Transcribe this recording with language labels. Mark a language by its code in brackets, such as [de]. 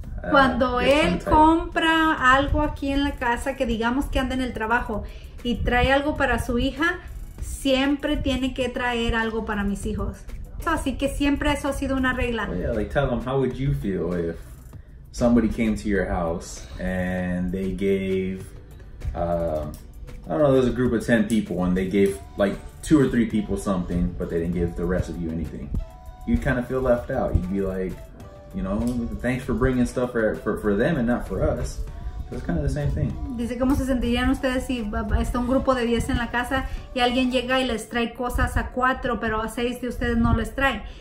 [es] Cuando él compra algo aquí en la casa, que digamos que anda en el trabajo y trae algo para su hija, siempre tiene que traer algo para mis hijos. Así que siempre eso ha sido una regla. [en] Well, yeah, like tell them, how would you feel if somebody came to your house and they gave, I don't know, there's a group of 10 people and they gave like 2 or 3 people something, but they didn't give the rest of you anything. You'd kind of feel left out. You'd be like, you know, thanks for bringing stuff for them and not for us. So it's kind of the same thing. [es] Dice, ¿cómo se sentirían ustedes si está un grupo de 10 en la casa y alguien llega y les trae cosas a 4, pero a 6 de ustedes no les trae?